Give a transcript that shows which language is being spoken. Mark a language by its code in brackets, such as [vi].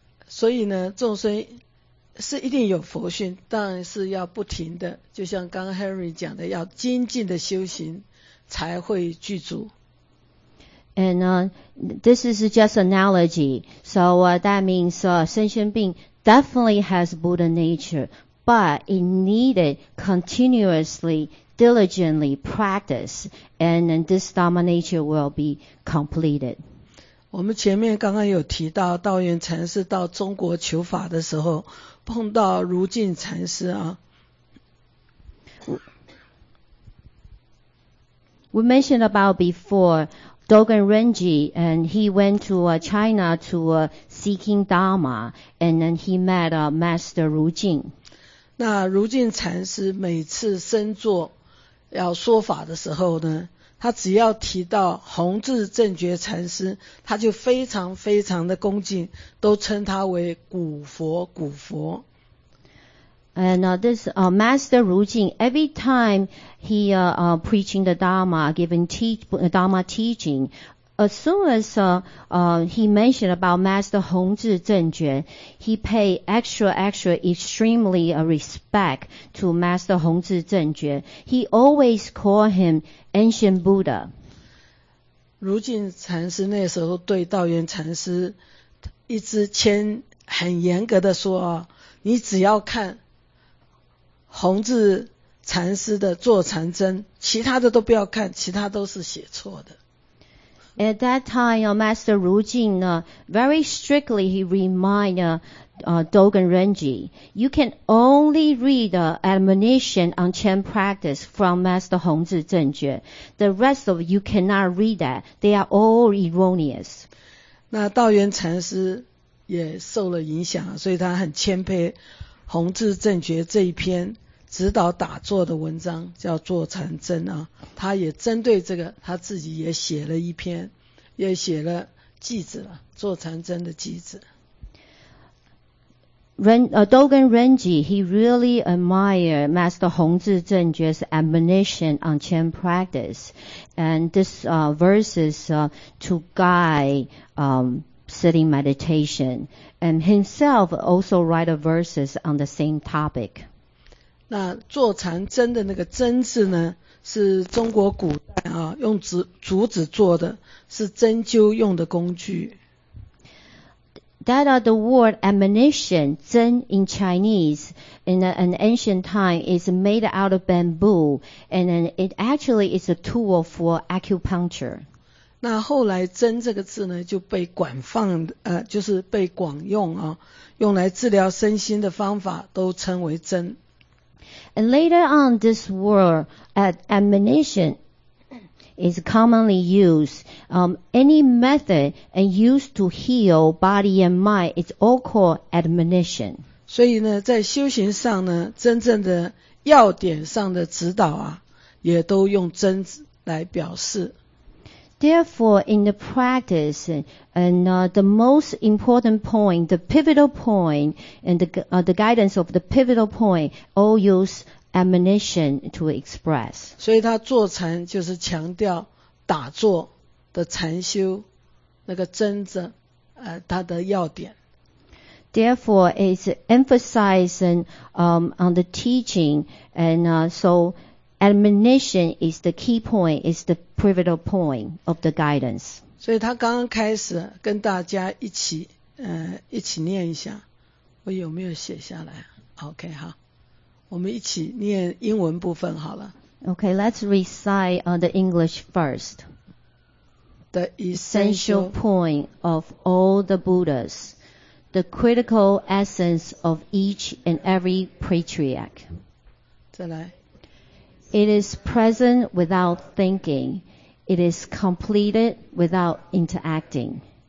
[zh] 所以呢，众生是一定有佛性，但是要不停的，就像刚刚 Henry 讲的，要精进的修行才会具足。 [en] And this is just analogy. So that means sentient being definitely has Buddha nature, but it needed continuously, diligently practice, and this Dharma nature will be completed. [zh] 我们前面刚刚有提到道元禅师到中国求法的时候碰到如镜禅师啊。 [en] We mentioned about before,Dogen Renji, and he went to China to seeking Dharma, and then he met Master Ru Jing. [zh] 那如镜禅师每次身坐要说法的时候呢，他只要提到弘智正觉禅师，他就非常非常的恭敬，都称他为古佛古佛。 [en] And this Master Ru Jing, every time he preaching the Dharma, giving Dharma teaching, as soon as he mentioned about Master Hongzhi Zhenjue, he pay extra extremely respect to Master Hongzhi Zhenjue. He always call him Ancient Buddha. [zh] 如镜禅师那时候对道元禅师一直谦很严格的说，你只要看弘智禅师的坐禅针，其他的都不要看，其他都是写错的。 [en] At that time, Master Ru Jing, very strictly he reminded Dogen Renji, you can only read the admonition on Chan practice from Master Hongzhi Zhenjue. The rest of you cannot read that. They are all erroneous. [zh] 那道元禅师也受了影响，所以他很谦卑。弘智正觉这一篇指导打坐的文章叫坐禅针啊，他也针对这个他自己也写了一篇，也写了偈子了，坐禅针的偈子。 [en] Dogen Renji, he really admired Master 弘智正觉's admonition on Chan practice, and this verses to guide sitting meditation, and himself also write a verses on the same topic. [zh] 那坐禅针的那个针字呢，是中国古代啊用竹子做的，是针灸用的工具。 [en] That the word admonition, 针 in Chinese, in an ancient time is made out of bamboo, and then it actually is a tool for acupuncture. [zh] 那后来针这个字呢就被广放就是被广用啊，用来治疗身心的方法都称为针。 [en] And later on this word admonition is commonly used. Any method and used to heal body and mind is all called admonition. [zh] 所以呢在修行上呢真正的要点上的指导啊也都用针来表示。 [en] Therefore, in the practice, the most important point, the pivotal point, and the guidance of the pivotal point, all use admonition to express. [zh] 所以他坐禅就是强调打坐的禅修那个真正他的要点。 [en] Therefore, it's emphasizing on the teaching, and so. Admonition is the key point, is the pivotal point of the guidance. [zh] 所以他刚刚开始跟大家一起念一下。我有没有写下来 OK 好，我们一起念英文部分好了。 [en] OK, let's recite on the English first. The essential point of all the Buddhas, the critical essence of each and every patriarch. [zh] 再来。 [en] It is present without thinking. It is completed without interacting.